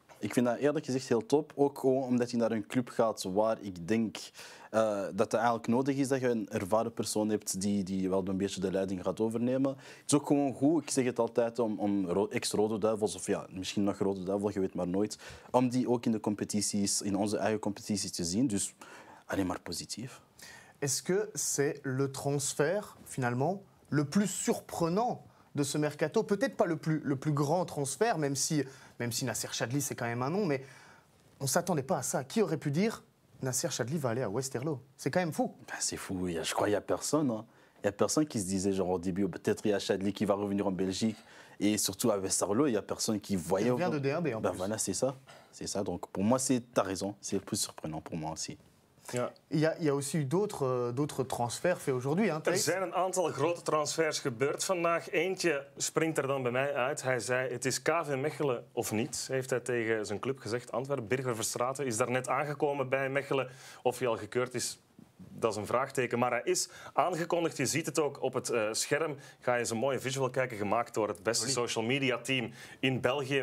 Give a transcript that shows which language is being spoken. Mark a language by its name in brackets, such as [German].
[Dutch] Ik vind dat eerlijk gezegd heel top. Ook omdat hij naar een club gaat waar ik denk dat het eigenlijk nodig is dat je een ervaren persoon hebt die wel een beetje de leiding gaat overnemen. Het is ook gewoon goed, ik zeg het altijd, om ex-Rode Duivels, of ja, misschien nog Rode Duivel, je weet maar nooit, om die ook in de competities, in onze eigen competities te zien. Dus alleen maar positief. [French] Est-ce que c'est le transfert, finalement, le plus surprenant de ce mercato, peut-être pas le plus grand transfert, même si Nasser Chadli, c'est quand même un nom, mais on ne s'attendait pas à ça. Qui aurait pu dire Nasser Chadli va aller à Westerlo? C'est quand même fou. Ben c'est fou, je crois qu'il n'y a personne. Il n'y a personne qui se disait, genre au début, peut-être il y a Chadli qui va revenir en Belgique. Et surtout à Westerlo, il n'y a personne qui voyait. Il vient de DRB, en plus. Ben voilà, c'est ça. C'est ça. Donc pour moi, tu as raison. C'est le plus surprenant pour moi aussi. Il y a aussi eu d'autres transferts faits aujourd'hui. Hein, [Dutch] er zijn een aantal grote transfers gebeurd vandaag. Eentje springt er dan bij mij uit. Hij zei, het is KV Mechelen of niet, heeft hij tegen zijn club gezegd. Antwerpen, Birger Verstraeten is daar net aangekomen bij Mechelen. Of hij al gekeurd is, dat is een vraagteken. Maar hij is aangekondigd. Je ziet het ook op het scherm. Ga je eens een mooie visual kijken, gemaakt door het beste social media team in België.